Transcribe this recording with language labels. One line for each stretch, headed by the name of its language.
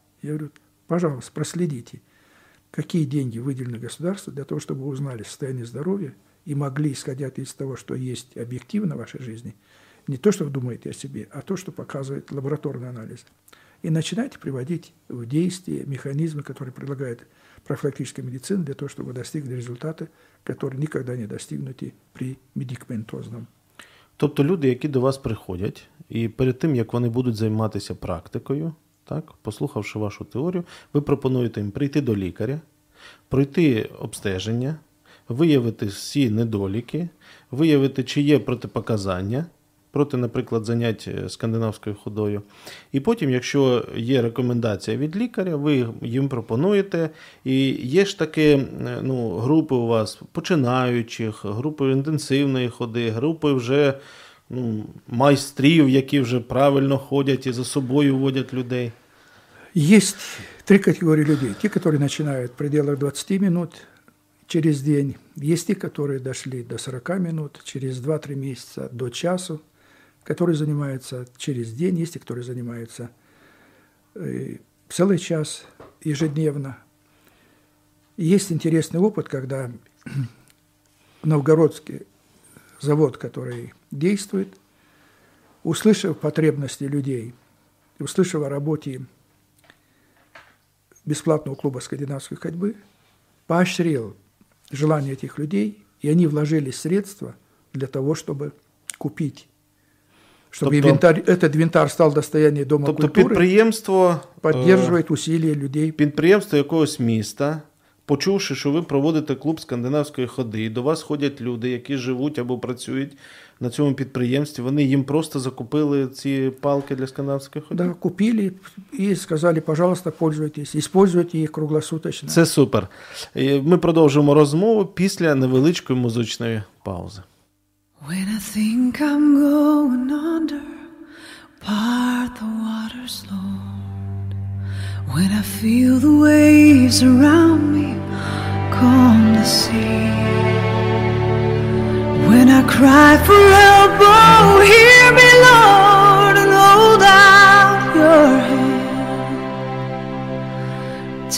Russian: Я говорю, пожалуйста, проследите, какие деньги выделены государству для того, чтобы узнали состояние здоровья и могли, исходя из того, что есть объективно в вашей жизни, не то, что вы думаете о себе, а то, что показывает лабораторный анализ. И начинайте приводить в действие механизмы, которые предлагает профилактическая медицина для того, чтобы достигли результаты, которые никогда не достигнуты при медикаментозном.
Ukrainian: Тобто люди, які до вас приходять, і перед тим, як вони будуть займатися практикою, так, послухавши вашу теорію, ви пропонуєте їм прийти до лікаря, пройти обстеження, виявити всі недоліки, виявити, чи є протипоказання проти, наприклад, занять скандинавською ходою. І потім, якщо є рекомендація від лікаря, ви їм пропонуєте. І є ж таке, ну, групи у вас починаючих, групи інтенсивної ходи, групи вже, ну, майстрів, які вже правильно ходять і за собою водять людей. Є три категорії людей. Ті, які починають
Russian: в пределах 20 минут через день.
Ukrainian: Є ті, які дійшли до 40 минут через 2-3 місяці до часу.
Russian: Которые занимаются через день, есть те, которые занимаются целый час ежедневно. Есть интересный опыт, когда новгородский завод, который действует, услышав потребности людей, услышав о работе бесплатного клуба скандинавской ходьбы, поощрил желание этих людей, и они вложили средства для того, чтобы купить. Чтобы этот инвентарь стал достоянием Дома культуры,
Ukrainian: підприємство
Russian: поддерживает усилия людей.
Ukrainian: Підприємство якогось міста почувши, що ви проводите клуб скандинавської ходи, і до вас ходять люди, які живуть або працюють на цьому підприємстві, вони їм просто закупили ці палки для скандинавської ходи? Так, да, купили і сказали,
Russian: пожалуйста, пользуйтесь, используйте
Ukrainian: їх круглосуточно. Це супер. Ми продовжуємо розмову після невеличкої музичної паузи.
English: When I think I'm going under, part the waters, Lord. When I feel the waves around me, calm the sea. When I cry for help, oh, hear me, Lord, and hold out your hand.